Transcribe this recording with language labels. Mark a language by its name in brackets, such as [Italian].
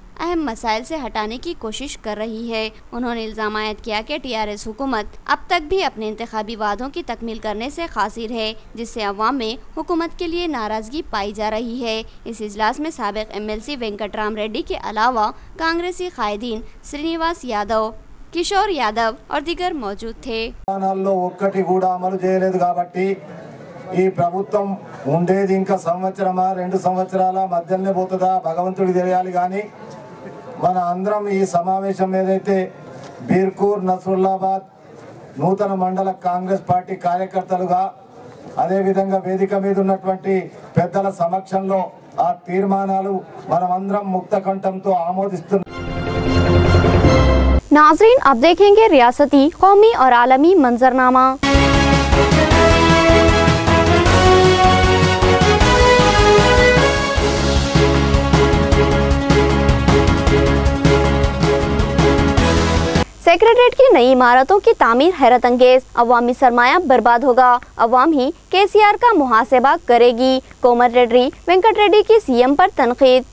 [Urdu] اہم مسائل سے ہٹانے کی کوشش کر رہی ہے۔ انہوں نے الزام عائد کیا کہ ٹی آر ایس حکومت اب تک بھی اپنے انتخابی وعدوں کی تکمیل کرنے سے قاصر ہے، جس سے عوام میں حکومت کے لیے ناراضگی پائی جا رہی ہے۔ اس اجلاس میں سابق M L C Venkat Ram ready کے علاوہ کانگریسی قائدین سری نواس یادو، کشور یادو اور دیگر موجود تھے۔ [Telugu] ఈ ప్రభుత్వం ఉండేది ఇంకా సంవత్సరమా రెండు సంవత్సరాల మధ్యలోనే పోతుందా భగవంతుడి తెలియాలి. కానీ మన అందరం ఈ సమావేశం ఏదైతే బీర్కూర్ నసరుల్లాబాద్ నూతన మండల కాంగ్రెస్ పార్టీ కార్యకర్తలుగా అదేవిధంగా వేదిక మీద ఉన్నటువంటి పెద్దల సమక్షంలో ఆ తీర్మానాలు మనమందరం ముక్త కంఠంతో ఆమోదిస్తున్నాం. [Urdu] ناظرین اب دیکھیں گے ریاستی، قومی اور عالمی منظرنامہ۔ سیکرٹریٹ کی نئی عمارتوں کی تعمیر حیرت انگیز، عوامی سرمایہ برباد ہوگا، عوام ہی کے سی آر کا محاسبہ کرے گی۔ کومٹ ریڈی وینکٹ ریڈی کی سی ایم پر تنقید۔